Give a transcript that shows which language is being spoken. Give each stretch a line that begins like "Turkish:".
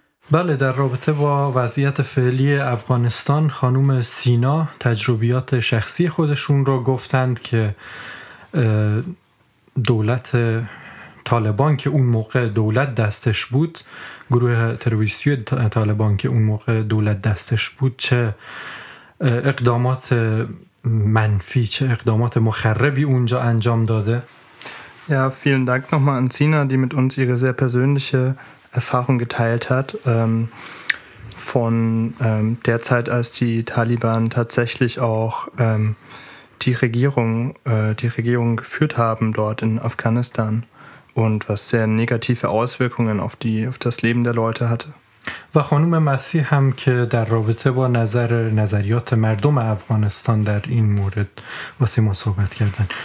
Persian: بله، در رابطه با وضعیت فعلی افغانستان خانم سینا تجربیات شخصی خودشون رو گفتند که دولت طالبان که اون موقع دولت دستش بود، گروه تروریستی طالبان که اون موقع دولت دستش بود، چه اقدامات منفی، چه اقدامات مخربی اونجا انجام داده.
German: Ja, vielen Dank nochmal an Sina, die mit uns ihre sehr persönliche Erfahrung geteilt hat, von der Zeit, als die Taliban tatsächlich auch die Regierung geführt haben dort in Afghanistan und was sehr negative Auswirkungen auf das Leben der Leute hatte.
Persian: و خانم مسیح هم که در رابطه با نظریات مردم افغانستان در این مورد واسه ما صحبت کردن.